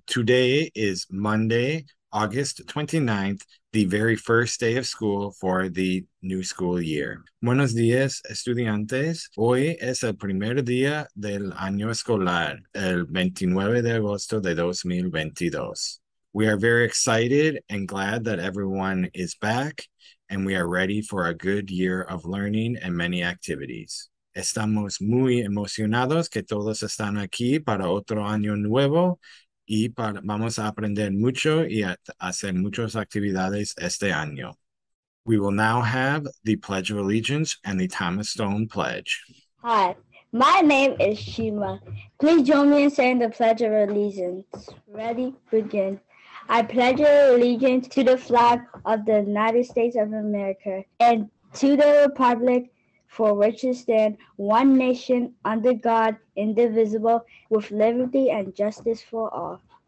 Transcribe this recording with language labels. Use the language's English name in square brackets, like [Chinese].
[English] Today is Monday, August 29th, the very first day of school for the new school year. [Spanish] Buenos días, estudiantes. Hoy es el primer día del año escolar, el 29 de agosto de 2022. [English] We are very excited and glad that everyone is back, and we are ready for a good year of learning and many activities. [Spanish] Estamos muy emocionados que todos están aquí para otro año nuevo y vamos a aprender mucho y a hacer muchas actividades este año. [English] We will now have the Pledge of Allegiance and the Thomas Stone Pledge. Hi, my name is Shima. Please join me in saying the Pledge of Allegiance. Ready? Begin. I pledge allegiance to the flag of the United States of America and to the Republic for which it stands, one nation, under God, indivisible, with liberty and justice for all.